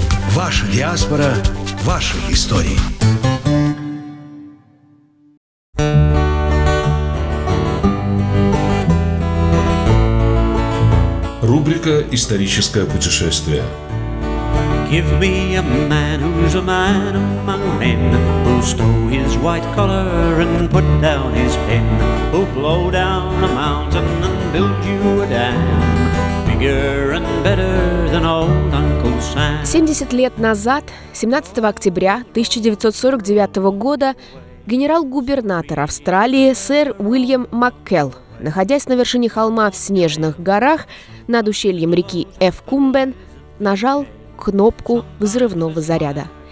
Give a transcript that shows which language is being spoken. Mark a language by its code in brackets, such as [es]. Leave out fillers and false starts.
[ru] Ваша диаспора, ваши истории. Рубрика «Историческое путешествие». [en] Give me a man who's a man among men, who'll stow his white collar and put down his pen, who'll blow down a mountain and build you a dam. Bigger and better than old Uncle Sam. [ru] 70 лет назад, 17 октября 1949 года, генерал-губернатор Австралии сэр Уильям Маккелл, находясь на вершине холма в Снежных горах над ущельем реки Эфкумбен, нажал кнопку взрывного заряда.